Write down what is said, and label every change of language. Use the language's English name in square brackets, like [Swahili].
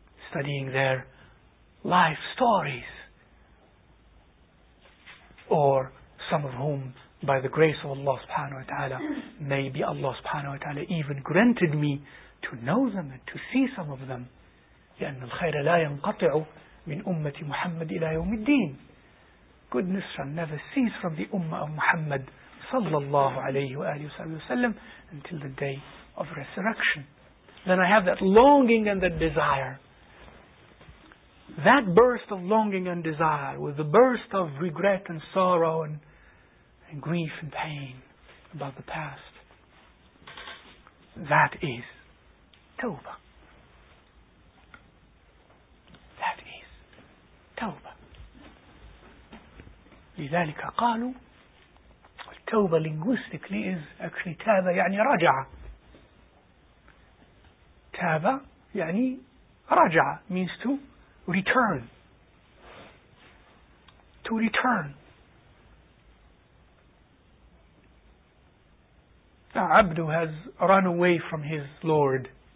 [English] Studying their life stories. Or some of whom, by the grace of Allah subhanahu wa ta'ala, maybe Allah subhanahu wa ta'ala even granted me to know them and to see some of them. [Arabic] لأن الخير لا ينقطع من أمة محمد إلى يوم الدين. [English] Goodness shall never cease from the Ummah of Muhammad صلى الله عليه وآله وسلم until the day of resurrection. Then I have that longing and that desire. That burst of longing and desire, with the burst of regret and sorrow and grief and pain about the past, that is tawbah. That is tawbah. [Arabic] لذلك قالوا التوبة [English] linguistically is actually [Arabic] تاب يعني رجع. تاب يعني رجع [English] means to return. To return. Abdu has run away from his Lord.